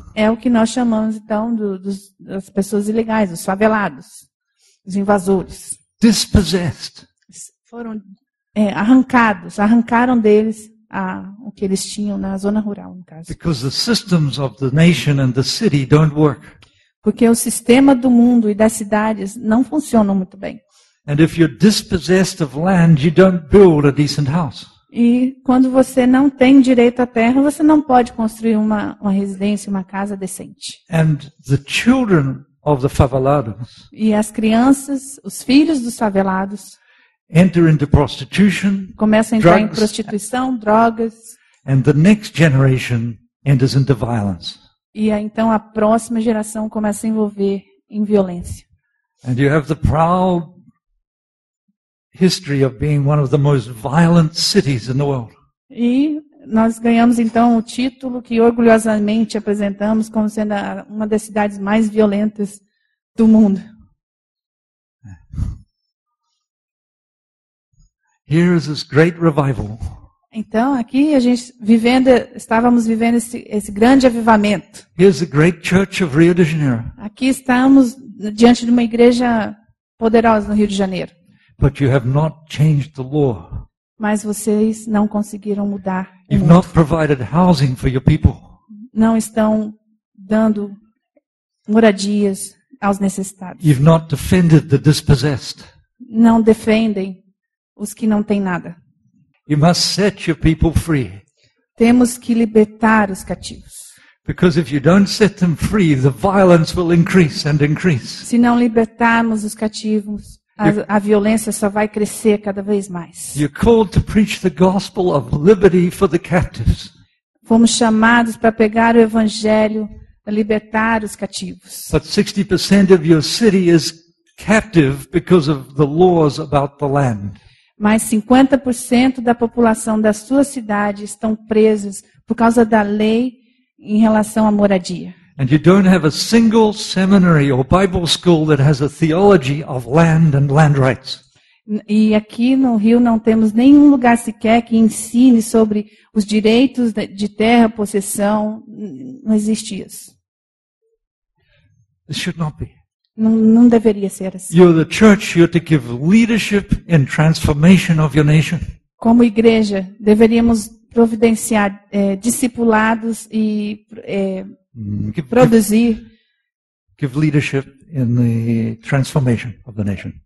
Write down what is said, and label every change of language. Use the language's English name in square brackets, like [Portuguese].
[Portuguese] É o que nós chamamos então das pessoas ilegais, os favelados, os invasores. [English] Dispossessed. [Portuguese] Foram arrancaram deles o que eles tinham na zona rural, no caso. [English] Because the systems of the nation and the city don't work. [Portuguese] Porque o sistema do mundo e das cidades não funcionam muito bem. [English] And if you're dispossessed of land, you don't build a decent house. [Portuguese] E quando você não tem direito à terra, você não pode construir uma residência, uma casa decente. [English] And the children of the favelados. [Portuguese] E as crianças, os filhos dos favelados. [English] Enter into prostitution. [Portuguese] Começam a entrar em prostituição, drogas. [English] And the next generation enters into violence. [Portuguese] E aí, então a próxima geração começa a envolver em violência. [English] And you have the proud history of being one of the most violent cities in the world. [Portuguese] E nós ganhamos então o título que orgulhosamente apresentamos como sendo uma das cidades mais violentas do mundo. [English] Here is this great revival. [Portuguese] Então aqui a gente estávamos vivendo esse grande avivamento. [English] Here's the great church of Rio de Janeiro. [Portuguese] Aqui estamos diante de uma igreja poderosa no Rio de Janeiro. [English] But you have not changed the law. [Portuguese] Mas vocês não conseguiram mudar. [English] You've not provided housing for your people. [Portuguese] Não estão dando moradias aos necessitados. [English] You've not defended the dispossessed. [Portuguese] Não defendem os que não têm nada. [English] You must set your people free. [Portuguese] Temos que libertar os cativos. [English] Because if you don't set them free, the violence will increase and increase. [Portuguese] Se não libertarmos os cativos, a violência só vai crescer cada vez mais. [English] You're called to preach the gospel of liberty for the captives. [Portuguese] Fomos chamados para pregar o evangelho, para libertar os cativos. [English] But 60% of your city is captive because of the laws about the land. [Portuguese] Mas 50% da população da sua cidade estão presos por causa da lei em relação à moradia. [English] And you don't have a single seminary or Bible school that has a theology of land and land rights. [Portuguese] E aqui no Rio não temos nenhum lugar sequer que ensine sobre os direitos de terra, possessão, não existe isso. [English] It should not be. [Portuguese] Não deveria ser assim. [English] You're the church, you're to give leadership and transformation of your nation. [Portuguese] Como igreja, deveríamos providenciar discipulados e produzir. [English] Give leadership in the transformation of the nation.